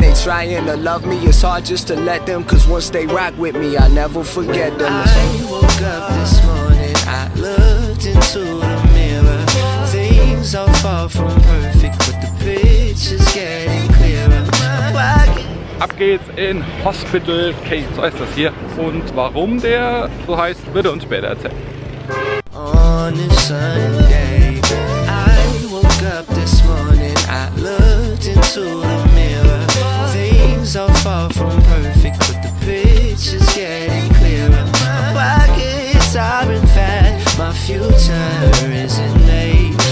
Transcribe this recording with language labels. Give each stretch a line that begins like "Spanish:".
English: They trying to love me, it's hard just to let them. 'Cause once they rock with me, I never forget them. When I woke up this morning, I looked into the mirror. Things are far from perfect, but the picture's getting clearer.
German: Ab geht's in Hospital Cay, so heißt das hier. Und warum der so heißt, wird er uns später erzählen.
English: On a Sunday, I woke up this morning, I looked into the mirror. Things are far from perfect, but the picture's getting clearer. My pockets are in fact, my future isn't late.